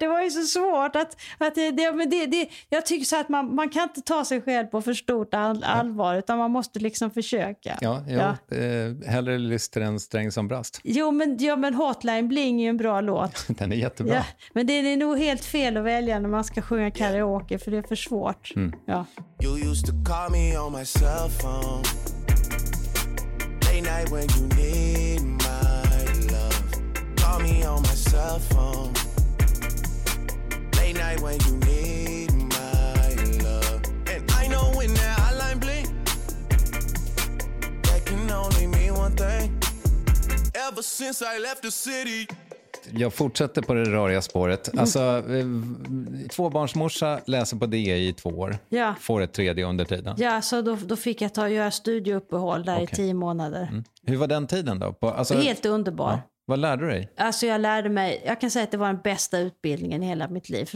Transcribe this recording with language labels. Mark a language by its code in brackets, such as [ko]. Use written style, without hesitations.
[sv] Det var ju så svårt att det, men det, jag tycker så att man kan inte ta sig själv på för stort allvar, utan man måste liksom försöka. Ja. Hellre lyster än sträng som brast. Jo, men Hotline Bling är ju en bra låt. Den är jättebra. Ja, men det är nog helt fel att välja när man ska sjunga karaoke, för det är för svårt. Mm. Ja. [en] You used to call me on my cell phone. Late night when you need my love. Call me on my cell phone. Late night when you need my love. And I know when that hotline bling, that can only mean one thing. Ever since I left the city. [sv] Jag fortsätter på det röriga spåret. Alltså, tvåbarnsmorsa läser på DI i 2 år. Ja. Får ett tredje under tiden. Ja, så då fick jag göra studieuppehåll där i 10 månader. Mm. Hur var den tiden då? Helt underbar. Ja. Vad lärde du dig? Alltså jag kan säga att det var den bästa utbildningen i hela mitt liv.